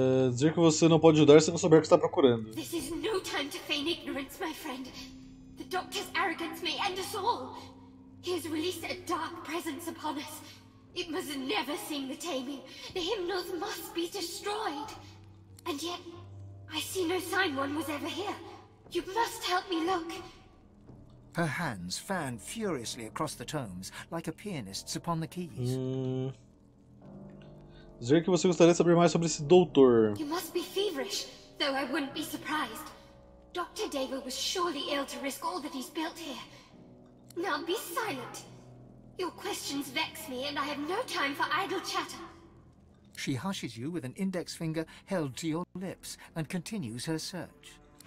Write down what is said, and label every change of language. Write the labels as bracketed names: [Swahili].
[Portuguese] Dizer que você não pode ajudar se não souber o que está procurando. [English] This is no time to feign ignorance, my friend. The doctor's arrogance may end us all. He has released a dark presence upon us. It must never seem the taming. The hymnals must be destroyed. And yet, I see no sign one was ever here. You must help me look. Her hands fan furiously across the tomes, like a pianist's upon the keys. [Portuguese] Dizer que você gostaria de saber mais sobre esse doutor. [English] You must be feverish, though I wouldn't be surprised. Dr. David was surely ill to risk all that he's built here. Now be silent. Your questions vex me, and I have no time for idle chatter. She hushes you with an index finger held to your lips and continues her search.